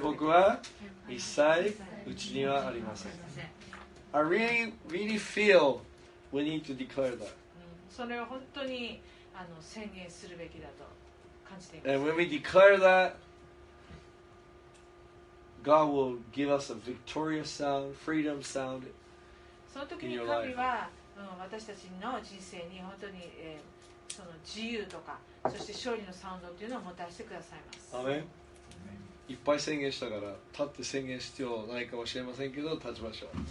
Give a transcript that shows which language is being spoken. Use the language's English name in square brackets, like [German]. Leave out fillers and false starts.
[Japanese] 北は一切うちにはありません。 [English] I really, really feel we need to declare that. [Japanese] それを本当に宣言するべきだと感じています。 [English] And when we declare that, God will give us a victorious sound, freedom sound in your life. [Japanese] その時に神は私たちの人生に本当にその自由とかそして勝利のサウンドというのをもたらしてくださいます。アメン。いっぱい宣言したから立って宣言必要ないかもしれませんけど立ちましょう。